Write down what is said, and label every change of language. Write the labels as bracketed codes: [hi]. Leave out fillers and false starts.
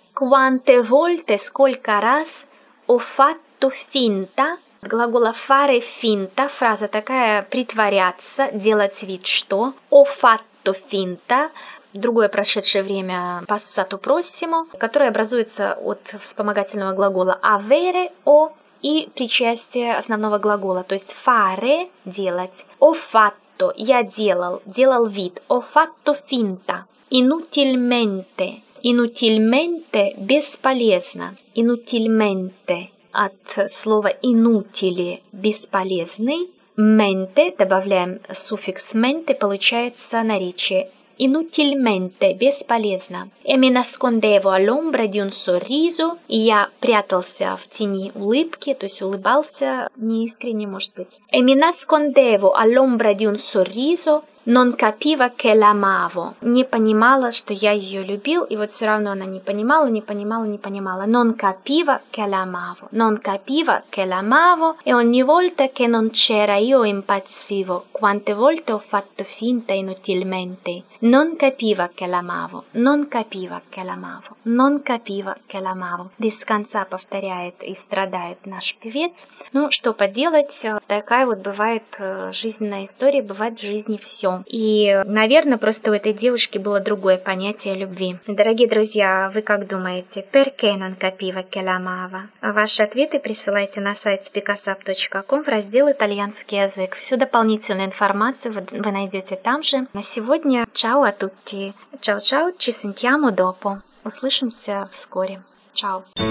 [it] «Quante volte» [ru] – «сколько раз» – [it] «ho fatto finta» [ru] – глагола «fare finta» – фраза такая «притворяться», «делать вид что» – «ho fatto finta» – другое прошедшее время «passato prossimo», которое образуется от вспомогательного глагола «avere» – «o». И причастие основного глагола, то есть fare – делать. [it] Ho fatto [ru] – я делал, делал вид. [it] Ho fatto finta. Inutilmente – inutilmente – [ru] бесполезно. Inutilmente – от слова inutile – бесполезный. Mente – добавляем суффикс mente, получается наречие. Inutilmente – бесполезно. [it] E mi nascondevo all'ombra di un sorriso. [ru] И я прятался в тени улыбки, то есть улыбался неискренне, может быть. [it] E mi nascondevo all'ombra di un sorriso. Non capiva che l'amavo. [ru] Не понимала, что я ее любил. И вот все равно она не понимала, не понимала, не понимала. [it] Non capiva che l'amavo. Non capiva che l'amavo. E ogni volta che non c'era io impazzivo. Quante volte ho fatto finta inutilmente. Non capiva che l'amavo. Non capiva che l'amavo. Non capiva che l'amavo. [ru] Без конца повторяет и страдает наш певец. Ну, что поделать, такая вот бывает жизненная история, бывает в жизни все. И, наверное, просто у этой девушки было другое понятие любви. Дорогие друзья, вы как думаете? [it] Perché non capiva che l'amava? [ru] Ваши ответы присылайте на сайт spicasap.com в раздел «Итальянский язык». Всю дополнительную информацию вы найдете там же. На сегодня [it] чао а тутти. [ru] Чао-чао, [it] ci sentiamo dopo. [ru] Услышимся вскоре. Чао.